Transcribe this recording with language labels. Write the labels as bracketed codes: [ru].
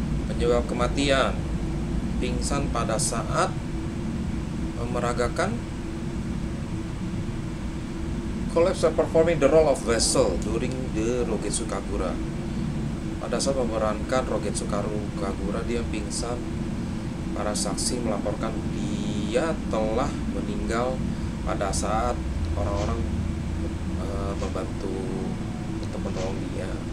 [id] Penyebab kematian, pingsan pada saat memeragakan. [en] Collapse performing the role of vessel during the Rogetsu Kagura. [id] Pada saat memerankan Rogetsu Kagura, dia pingsan. Para saksi melaporkan dia telah meninggal pada saat orang-orang membantu menolong dia.